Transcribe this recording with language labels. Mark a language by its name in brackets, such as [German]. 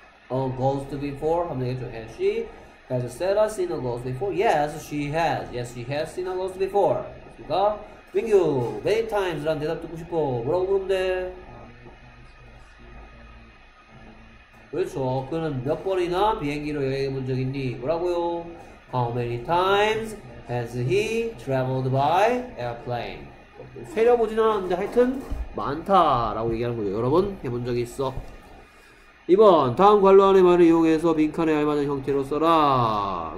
[English] 어, ghost before? 하면 되겠죠. Has she? Has Sarah seen a ghost before? Yes, she has. Yes, she has seen a ghost before. 그니까, 민규, many times [Korean] 라는 대답 듣고 싶어. 뭐라고 물으면 돼? 그렇죠. 그는 몇 번이나 비행기로 여행해 본 적 있니? 뭐라고요? [English] How many times has he traveled by airplane? [Korean] 세려보진 않았는데 하여튼 많다라고 얘기하는 거죠. 여러분 해본 적 있어. 2번 다음 관로안의 말을 이용해서 빈칸에 알맞은 형태로 써라.